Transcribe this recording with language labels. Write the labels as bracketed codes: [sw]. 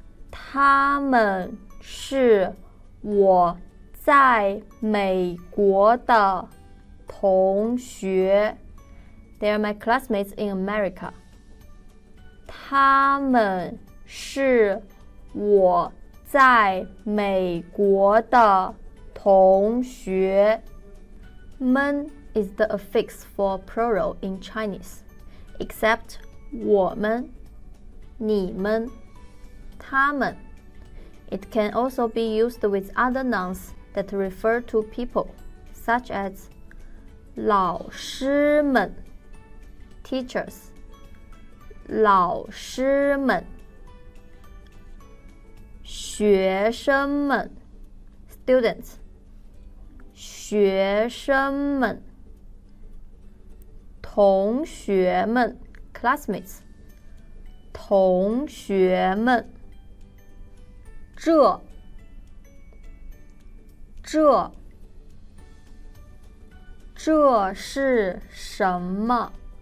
[zh] 他们是我在美国的同学。 [en] They are my classmates in America. [zh] 他们是我在美国的同学。 [en] 们 is the affix for plural in Chinese, except [zh] 我们、你们、他们。 [en] It can also be used with other nouns that refer to people, such as 老师们。 [zh] Teachers, 老师们，学生们 ，students, 学生们，同学们 ，classmates, 同学们，这是什么？